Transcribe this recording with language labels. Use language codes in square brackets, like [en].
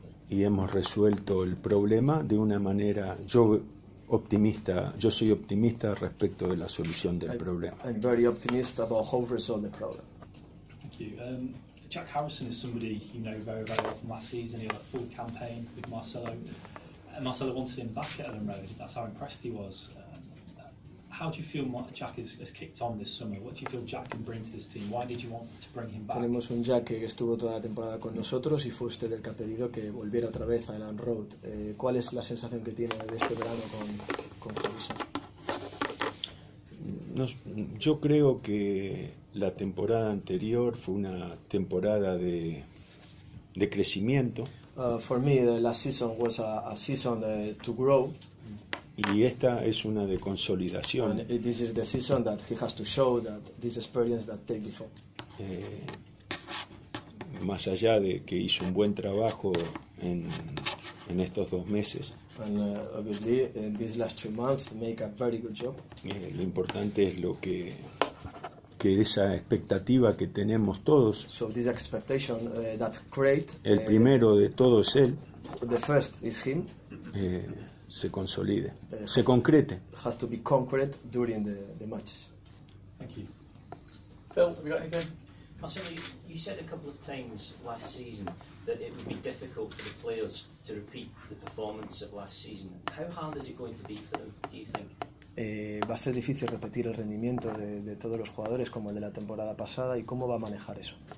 [es] Y hemos resuelto el problema de una manera yo soy optimista respecto de la solución del problema. [en] I'm very optimistic about how we resolve the problem. Thank you. Jack Harrison is somebody you know very, very well from last season. He had a full campaign with Marcelo. Marcelo wanted him back at Elland Road. That's how impressed he was. How do you feel Jack has kicked on this summer? What do you feel Jack can bring to this team? Why did you want to bring him back? [es] Tenemos un Jack que estuvo toda la temporada con nosotros y fue usted el que ha pedido que volviera otra vez a Elland Road. ¿Cuál es la sensación que tiene de este verano con Harrison? Yo creo que la temporada anterior fue una temporada de crecimiento. [en] For me, the last season was a season to grow. [es] Y esta es una de consolidación. [en] And this is the season that he has to show that this experience that take before. [es] Más allá de que hizo un buen trabajo en estos dos meses. [en] And obviously, in these last 2 months, make a very good job. [es] Lo importante es lo que esa expectativa que tenemos todos. [en] So this expectation that create. [es] El primero de todos es él. [en] The first is him. [es] Se consolide, se concrete. [en] Has to be concrete during the matches. Thank you. Bill, have you got anything? Marcelo, you said a couple of times last season that it would be difficult for the players to repeat the performance of last season. How hard is it going to be for them, do you think? [es] Va a ser difícil repetir el rendimiento de todos los jugadores como el de la temporada pasada, ¿y cómo va a manejar eso?